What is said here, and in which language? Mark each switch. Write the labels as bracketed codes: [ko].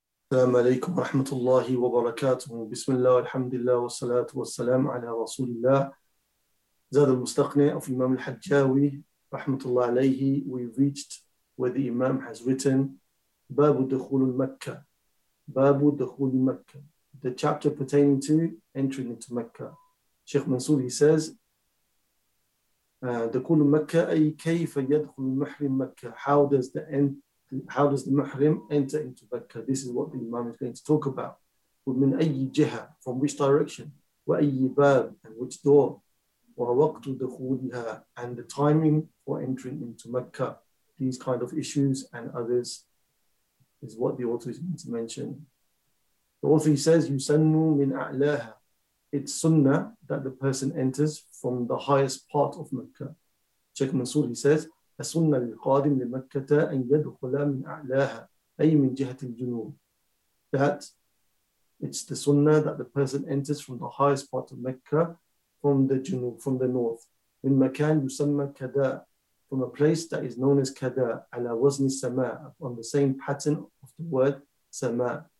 [ar] السلام عليكم ورحمة الله وبركاته. بسم الله والحمد لله والصلاة والسلام على رسول الله زاد المستقنع of Imam al-Hajjawi رحمة الله عليه. [en] We reached where the Imam has written [ar] باب دخول مكة. باب دخول مكة, [en] the chapter pertaining to entering into Mecca. Sheikh Mansour, he says [ar] دخول مكة أي كيف يدخل المحرم مكة. [en] How does the end How does the Muhrim enter into Mecca? This is what the Imam is going to talk about. [ar] ومن أي جهة, [en] from which direction, [ar] وأي باب, [en] and which door, [ar] ووقت دخولها, [en] and the timing for entering into Mecca. These kind of issues and others is what the author is going to mention. The author, he says, [ar] يسنّ من أعلاها. [en] It's sunnah that the person enters from the highest part of Mecca. Sheikh Mansour, he says, [ar] السنة للقادم لمكة أن يدخل من أعلاها أي من جهة الجنوب. [en] That it's the sunnah that the person enters from the highest part of Mecca, from the junub, from the north. [ar] من مكان يسمى كذا, [en] from a place that is known as كذا, [ar] على وزن السماء, [en] on the same pattern of the word سماء.